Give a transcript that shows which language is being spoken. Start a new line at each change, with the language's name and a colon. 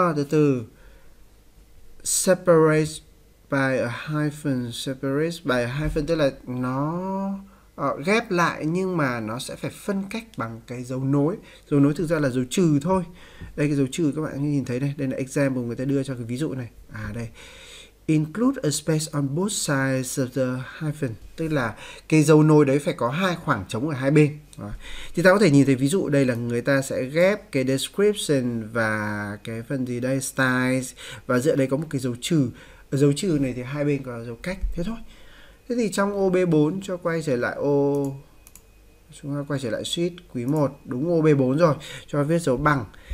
Vietnamese: Từ
English: separate by a hyphen,
Vietnamese: separate by a hyphen tức là nó ghép lại nhưng mà nó sẽ phải phân cách bằng cái dấu nối. Dấu nối thực ra là dấu trừ thôi. Đây cái dấu trừ các bạn nhìn thấy đây. Đây là example người ta đưa cho cái ví dụ này. Đây.
English: Include a space on both sides of the hyphen.
Vietnamese: Tức là cái dấu nối đấy phải có hai khoảng trống ở hai bên. Đó. Thì ta có thể nhìn thấy ví dụ đây là người ta sẽ ghép cái description và cái phần gì đây, styles. Và giữa đây có một cái dấu trừ. Ở dấu trừ này thì hai bên có dấu cách. Thế thôi. Thế thì trong ô B4 cho quay trở lại ô, chúng ta quay trở lại sheet quý 1, đúng ô B4 rồi, cho viết dấu bằng.